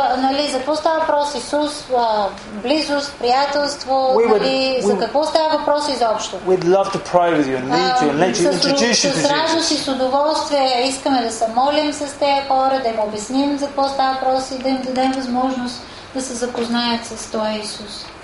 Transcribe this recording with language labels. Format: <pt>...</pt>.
<bg>Нали, за какво става въпрос? Исус, близост, приятелство, нали, за какво става въпрос изобщо?</bg> <en>We'd love to pray with you and meet you and let you introduce you to Jesus.</en> <bg>С радост и с удоволствие искаме да се молим с тези хора, да им обясним за какво става въпрос и да им дадем възможност да се запознаят с този Исус.</bg>